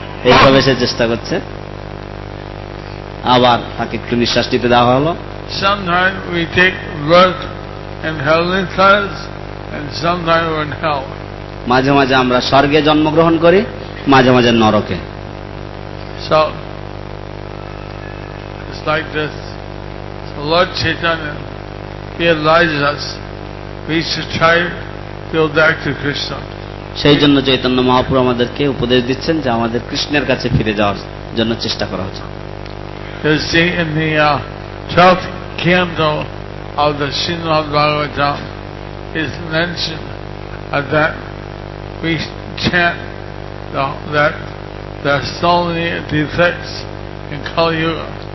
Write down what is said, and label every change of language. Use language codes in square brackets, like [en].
[bn] এইভাবে সে চেষ্টা করছে, আবার তাকে একটু নিঃশ্বাস দিতে দেওয়া হলো। [en] Sometimes we take birth in heavenly planets and sometimes we're in hell. [bn] মাঝে মাঝে আমরা স্বর্গে জন্মগ্রহণ করি, মাঝে মাঝে নরকে। [en] So, it's like this. So Lord Chaitanya, he advises us, we should try to go back to Krishna. [bn] সেই জন্য চৈতন্য মহাপ্রভু আমাদেরকে উপদেশ দিচ্ছেন যে আমাদের কৃষ্ণের কাছে ফিরে যাওয়ার জন্য চেষ্টা করা উচিত। [en] You see, in the 12th Kyanto of the Srimad Bhagavatam is mentioned that we chant that there are so many defects in Kali Yuga.